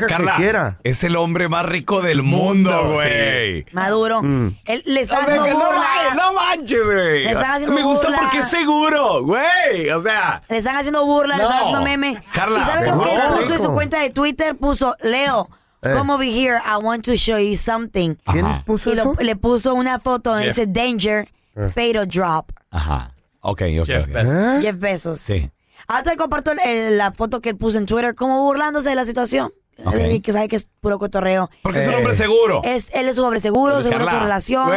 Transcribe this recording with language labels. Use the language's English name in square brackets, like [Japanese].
[Spanish] Carla, es el hombre más rico del mundo, güey. Sí. Maduro. Mm. Él le está haciendo burla. ¡No manches, güey! Le están haciendo me burla. Me gusta porque es seguro, güey. O sea... Le están haciendo burla, le están haciendo meme. Carla, ¿y sabes lo que él puso en su cuenta de Twitter? Puso, Leo... [English] Come over here, I want to show you something. [Spanish] ¿Quién puso eso? Le puso una foto donde dice [English] Danger, Fatal Drop. [Spanish] Ajá. Ok. Jeff Bezos. Sí. Hasta comparto la foto que él puso en Twitter, como burlándose de la situación. Okay. Que sabe que es puro cotorreo. Porque es un hombre seguro. Él es un hombre seguro, pero seguro de su relación.